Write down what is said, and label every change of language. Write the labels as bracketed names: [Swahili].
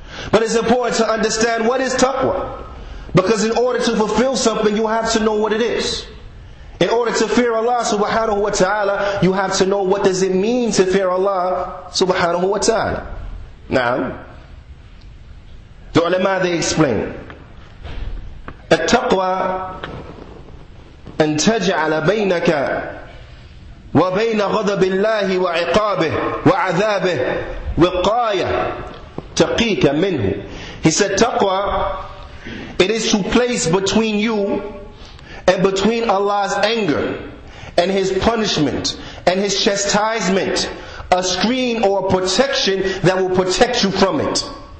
[English] But it's important to understand what is taqwa. Because in order to fulfill something, you have to know what it is. In order to fear Allah subhanahu wa ta'ala, you have to know what does it mean to fear Allah subhanahu wa ta'ala. Now, the ulama, they explain. [Arabic] At-taqwa أن تجعل بينك وبين غضب الله وعقابه وعذابه وقاية تقيك منه. [English] He said, taqwa, it is to place between you and between Allah's anger and His punishment and His chastisement a screen or a protection that will protect you from it.